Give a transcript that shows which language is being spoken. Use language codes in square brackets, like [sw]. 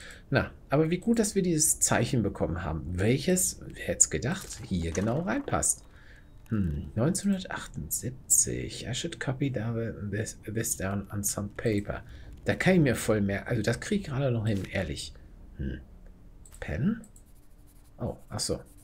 [de] Na, aber wie gut, dass wir dieses Zeichen bekommen haben, welches, wer hätte es gedacht, hier genau reinpasst. 1978. [en] I should copy this down on some paper. [de] Da kann ich mir voll mehr. Also, das kriege ich gerade noch hin, ehrlich. Pen? Oh, ach so.